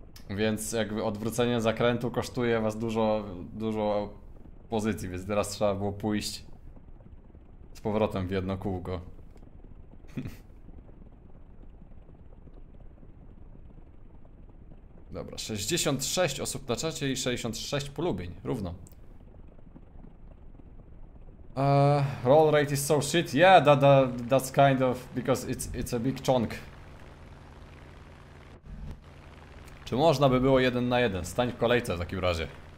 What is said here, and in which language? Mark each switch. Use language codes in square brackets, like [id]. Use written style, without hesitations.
[pl] Więc jakby odwrócenie zakrętu kosztuje was dużo, dużo pozycji, więc teraz trzeba było pójść z powrotem w jedno kółko. Dobra, 66 osób na czacie i 66 polubień, równo. [en] Roll rate is so shit. Yeah, that's kind of because it's a big chunk. [pl] Czy można by było jeden na jeden? Stań w kolejce w takim razie.